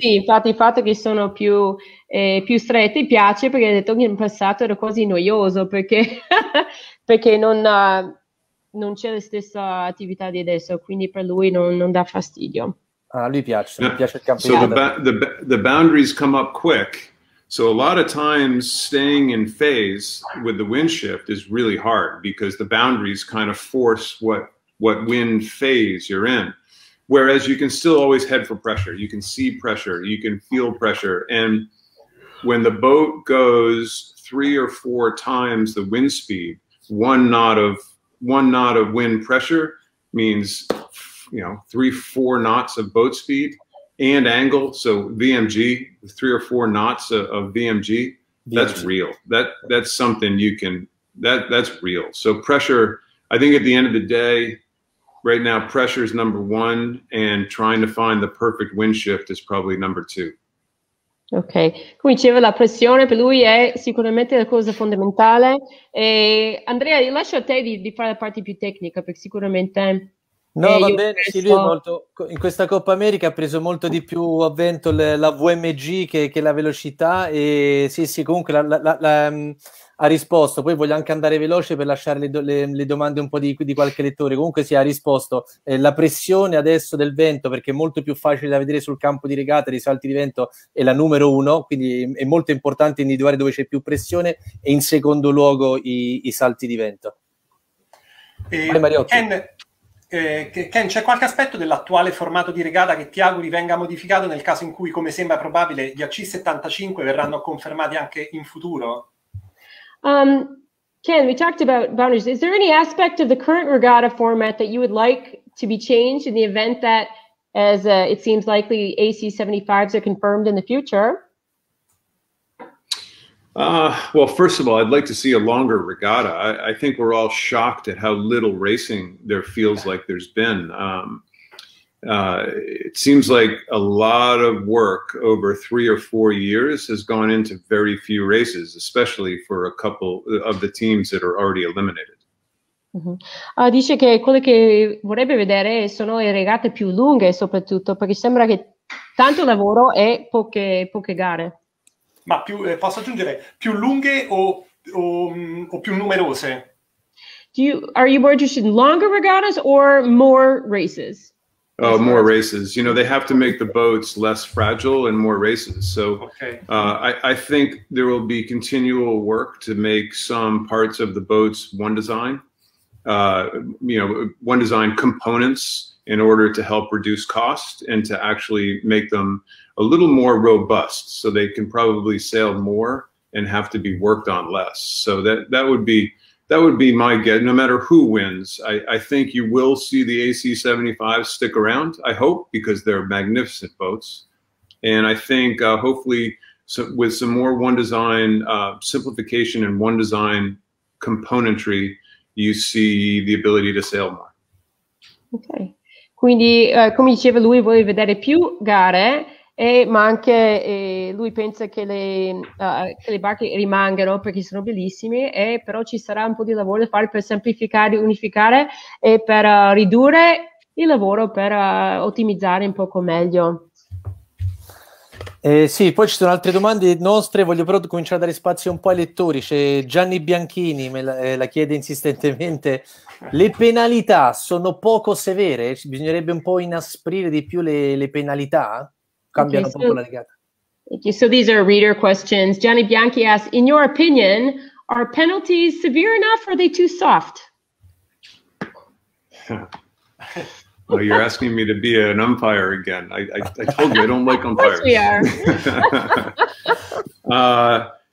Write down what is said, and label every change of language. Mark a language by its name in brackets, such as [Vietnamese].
[Italian] Sì, infatti il fatto che sono più stretti piace, perché ha detto che in passato era quasi noioso, perché perché non c'è la stessa attività di adesso, quindi per lui non dà fastidio. Ah, lui piace, yeah. Gli piace il campionato. [English] So the boundaries come up quick. So a lot of times staying in phase with the wind shift is really hard, because the boundaries kind of force what wind phase you're in. Whereas you can still always head for pressure. You can see pressure, you can feel pressure. And when the boat goes 3 or 4 times the wind speed, one knot of wind pressure means, you know, 3-4 knots of boat speed and angle. So VMG, 3 or 4 knots of VMG, that's real. That's something you can, that's real. So pressure, I think at the end of the day, right now, pressure is number one, and trying to find the perfect wind shift is probably number two. [Italian] Ok, come diceva, la pressione per lui è sicuramente la cosa fondamentale. E Andrea, io lascio a te di fare la parte più tecnica, perché sicuramente... No, va bene, sì, lui è molto... In questa Coppa America ha preso molto di più a vento la VMG che la velocità, e sì, comunque ha risposto. Poi voglio anche andare veloce per lasciare le domande un po' di qualche lettore. Comunque sì, ha risposto. La pressione adesso del vento, perché è molto più facile da vedere sul campo di regata dei salti di vento, è la numero uno, quindi è molto importante individuare dove c'è più pressione, e in secondo luogo i salti di vento. Mariotti. Ken, Ken, c'è qualche aspetto dell'attuale formato di regata che ti auguri venga modificato nel caso in cui, come sembra probabile, gli AC75 verranno confermati anche in futuro? [English] Ken, we talked about boundaries. Is there any aspect of the current regatta format that you would like to be changed in the event that, as it seems likely, AC75s are confirmed in the future? Well, first of all, I'd like to see a longer regatta. I think we're all shocked at how little racing there feels like there's been. It seems like a lot of work over 3 or 4 years has gone into very few races, especially for a couple of the teams that are already eliminated. Mm-hmm. [Italian] Dice che quello che vorrebbe vedere sono le regate più lunghe, soprattutto, perché sembra che tanto lavoro e poche gare. Ma più, posso aggiungere, più lunghe o più numerose? [English] Are you more interested in longer regattas or more races? Oh, more races. You know, they have to make the boats less fragile and more races. So okay. I think there will be continual work to make some parts of the boats one design, one design components in order to help reduce cost and to actually make them a little more robust so they can probably sail more and have to be worked on less. So that would be my guess, no matter who wins. I think you will see the AC75 stick around, I hope, because they're magnificent boats. And I think hopefully with some more one design simplification and one design componentry, you see the ability to sail more. Okay. [Italian] Quindi, come diceva lui, vuole vedere più gare, ma anche lui pensa che le barche rimangano perché sono bellissime, però ci sarà un po' di lavoro da fare per semplificare, unificare e per ridurre il lavoro, per ottimizzare un poco meglio. Sì, poi ci sono altre domande nostre, voglio però cominciare a dare spazio un po' ai lettori. C'è Gianni Bianchini, me la chiede insistentemente, le penalità sono poco severe? Bisognerebbe un po' inasprire di più le penalità? Cambiano okay, so, poco la regata. [English] Thank you. So these are reader questions. Gianni Bianchi asks, in your opinion, are penalties severe enough or are they too soft? Well, you're asking me to be an umpire again. I told you I don't like umpires. Of course we are.